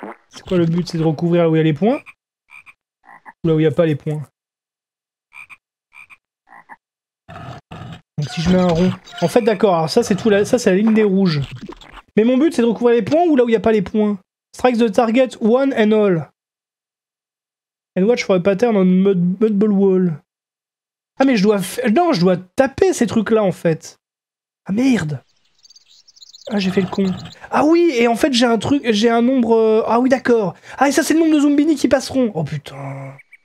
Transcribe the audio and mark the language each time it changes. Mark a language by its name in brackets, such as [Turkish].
[French] C'est quoi le but? C'est de recouvrir là où il y a les points? Ou là où il n'y a pas les points? Donc si je mets un rond. En fait, d'accord. Alors ça, c'est tout. Ça, c'est la ligne des rouges. Mais mon but, c'est de recouvrir les points ou là où il n'y a pas les points? [English] Strike the target one and all. And watch for a pattern on mudball wall. [French] Ah, mais je dois taper ces trucs-là, en fait. Ah, merde. Ah, j'ai fait le con. Ah oui, et en fait, j'ai un nombre... Ah oui, d'accord. Ah, et ça, c'est le nombre de Zumbini qui passeront. Oh, putain.